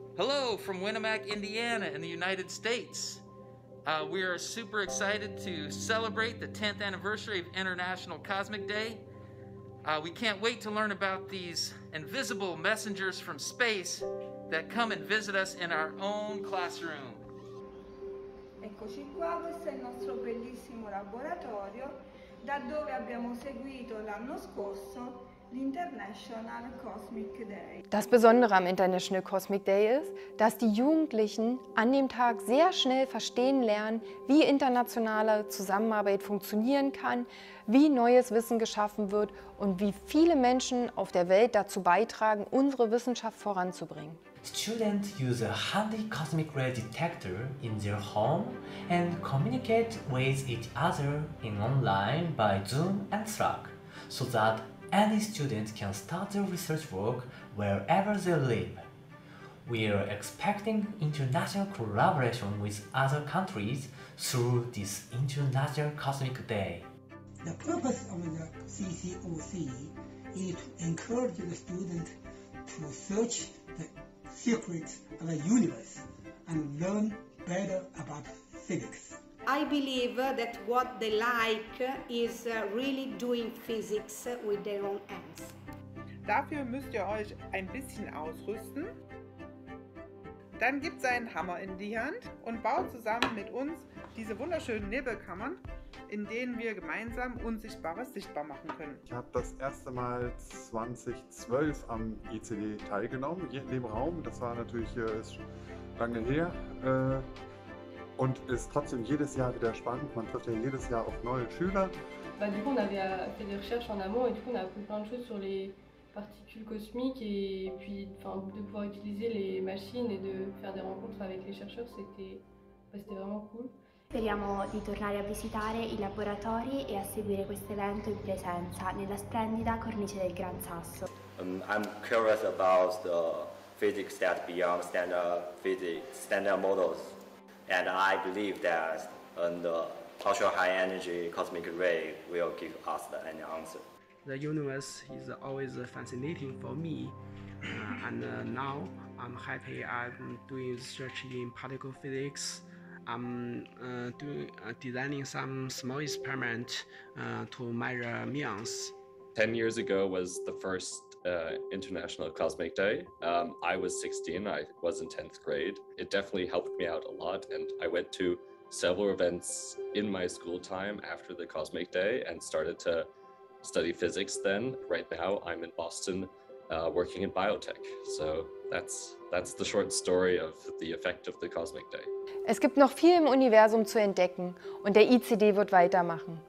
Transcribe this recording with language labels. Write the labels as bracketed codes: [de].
[en] Hello from Winnemac, Indiana in the United States. We are super excited to celebrate the 10th anniversary of International Cosmic Day. We can't wait to learn about these invisible messengers from space that come and visit us in our own classroom. [it] Eccoci qua, questo è il nostro bellissimo laboratorio da dove abbiamo seguito l'anno scorso l'International Cosmic Day. [de] Das Besondere am International Cosmic Day ist, dass die Jugendlichen an dem Tag sehr schnell verstehen lernen, wie internationale Zusammenarbeit funktionieren kann, wie neues Wissen geschaffen wird und wie viele Menschen auf der Welt dazu beitragen, unsere Wissenschaft voranzubringen. [en] Students use a handy cosmic ray detector in their home and communicate with each other in online by Zoom and Slack, so that any student can start their research work wherever they live. We are expecting international collaboration with other countries through this International Cosmic Day. The purpose of the CCOC is to encourage the student to search the secrets of the universe and learn better about physics. I believe that what they like is really doing physics with their own hands. [de] Dafür müsst ihr euch ein bisschen ausrüsten. Dann gebt einen Hammer in die Hand und baut zusammen mit uns diese wunderschönen Nebelkammern, in denen wir gemeinsam Unsichtbares sichtbar machen können. Ich habe das erste Mal 2012 am ICD teilgenommen, hier in dem Raum. Das war natürlich lange her. Und ist trotzdem jedes Jahr wieder spannend. Man trifft ja jedes Jahr auch neue Schüler. [fr] Bah, du coup, on avait fait des recherches en amont et du coup, on a appris plein de choses sur les particules cosmiques et puis de pouvoir utiliser les machines et de faire des rencontres avec les chercheurs, c'était vraiment cool. [it] Speriamo di tornare a visitare i laboratori e a seguire questo evento in presenza nella splendida cornice del Gran Sasso. [en] I'm curious about the physics that beyond standard physics, standard models. And I believe that the ultra high energy cosmic ray will give us an answer. The universe is always fascinating for me. Now I'm happy I'm doing research in particle physics. I'm designing some small experiment to measure muons. 10 years ago was the first International Cosmic Day. I was 16, I was in 10th grade. It definitely helped me out a lot, and I went to several events in my school time after the Cosmic Day and started to study physics then. Right now I'm in Boston working in biotech. So that's the short story of the effect of the Cosmic Day. [de] Es gibt noch viel im Universum zu entdecken und der ICD wird weitermachen.